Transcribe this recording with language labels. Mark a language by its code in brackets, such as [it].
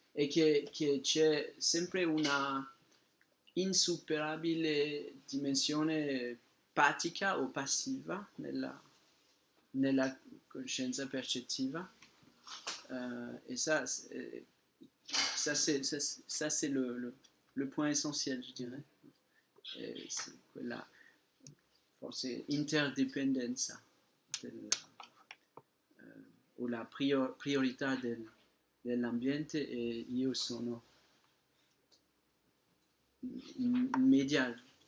[it] che c'è sempre una insuperabile dimensione pratica o passiva nella coscienza percettiva. [fr] E ça c'est le point essentiel, je dirais. [it] C'è quella forse interdipendenza o la priorità dell'ambiente, e io sono in mediale,